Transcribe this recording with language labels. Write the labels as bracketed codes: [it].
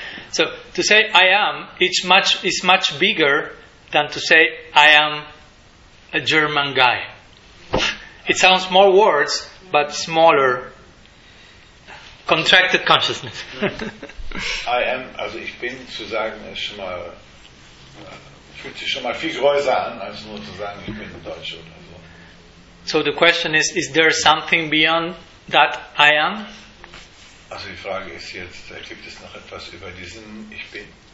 [en] So, to say I am, it's much bigger than to say, I am a German guy. It sounds more words, but smaller, contracted consciousness. I am, [de] also ich bin zu sagen, ist schon mal, fühlt sich schon mal viel größer an, als nur zu sagen, ich bin Deutsch oder so. [en] So the question is there something beyond that I am? [de] Also die Frage ist jetzt, gibt es noch etwas über diesen ich bin?